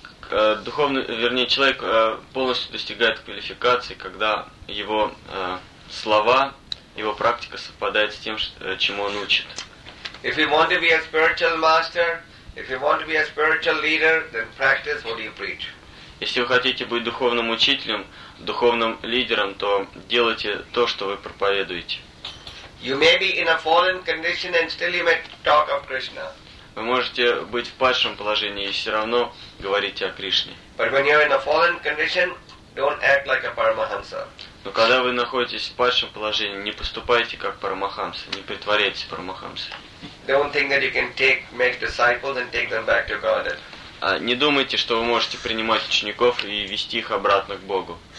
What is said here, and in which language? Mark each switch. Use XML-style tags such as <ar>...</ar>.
<ru>Человек полностью достигает квалификации, когда его слова, его практика совпадает с тем, чему он учит.</ru> <en>If you want to be a spiritual master, if you want to be a spiritual leader, then practice what you preach.</en> <ru>Если вы хотите быть духовным учителем, духовным лидером, то делайте то, что вы проповедуете.</ru> <en>You may be in a fallen condition and still you may talk of Krishna.</en> <ru>Вы можете быть в падшем положении и все равно говорите о Кришне.</ru> <en>But when you're in a fallen condition, don't act like a Paramahamsa.</en> <ru>Но когда вы находитесь в падшем положении, не поступайте как Парамахамса, не притворяйтесь Парамахамсой.</ru> <en>Don't think that you can make disciples and take them back to Godhead.</en> <ru>Не думайте, что вы можете принимать учеников и вести их обратно к Богу.</ru>